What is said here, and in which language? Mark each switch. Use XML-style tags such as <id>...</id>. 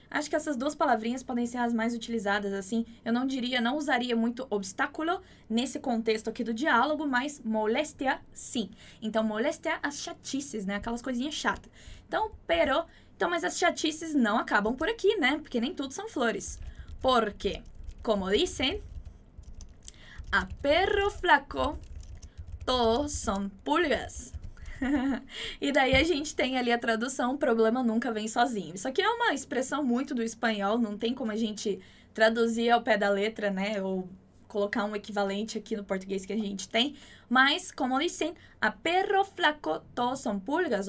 <pt>Acho que essas duas palavrinhas podem ser as mais utilizadas, assim. Eu não diria, não usaria muito obstáculo nesse contexto aqui do diálogo, mas moléstia, sim. Então, moléstia, as chatices, né? Aquelas coisinhas chatas. Então, pero... Então, mas as chatices não acabam por aqui, né? Porque nem tudo são flores.</pt> <es>Porque, como dicen, a perro flaco, todos son pulgas.</es> <pt>E daí a gente tem ali a tradução, o problema nunca vem sozinho. Isso aqui é uma expressão muito do espanhol, não tem como a gente traduzir ao pé da letra, né? Ou colocar um equivalente aqui no português que a gente tem.</pt> <es>Mas, como dicen, a perro flaco, todos son pulgas.</es>